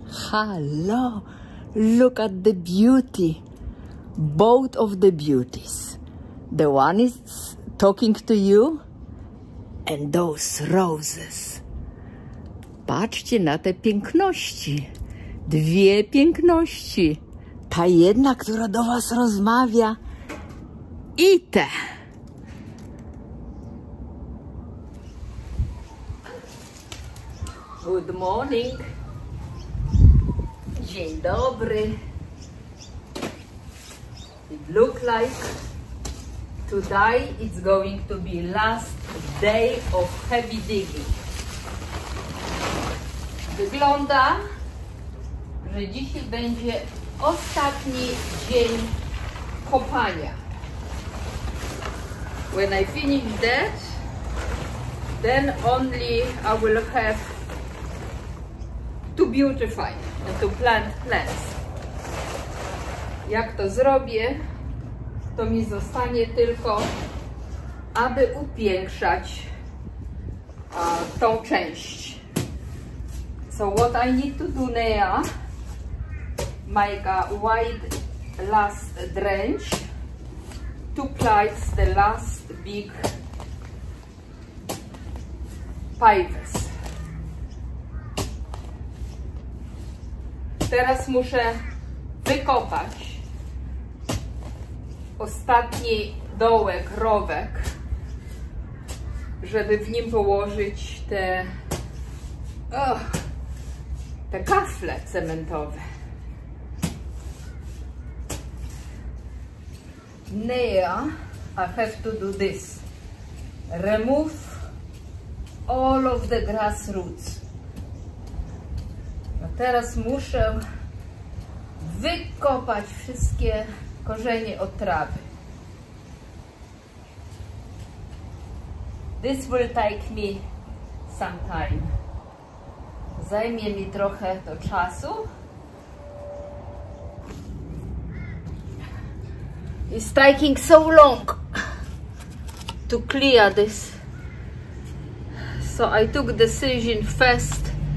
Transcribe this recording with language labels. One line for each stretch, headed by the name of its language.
English: Halo, look at the beauty, both of the beauties. The one is talking to you and those roses.
Polish: Patrzcie na te piękności, dwie piękności. Ta jedna, która do was rozmawia i te.
English: Good morning.
Polish: Dzień dobry.
English: It look like today it's going to be last day of heavy digging.
Polish: Wygląda, że dzisiaj będzie ostatni dzień kopania.
English: When I finish that, then only I will have to beautify and to plant plants.
Polish: Jak to zrobię, to mi zostanie tylko, aby upiększać tą część.
English: So what I need to do now, make a wide last drench to plant the last big pipes.
Polish: Teraz muszę wykopać ostatni dołek, rowek, żeby w nim położyć te kafle cementowe.
English: Now I have to do this. Remove all of the grass roots.
Polish: A teraz muszę wykopać wszystkie korzenie od trawy.
English: This will take me some time.
Polish: Zajmie mi trochę to czasu.
English: It's taking so long to clear this. So I took decision first.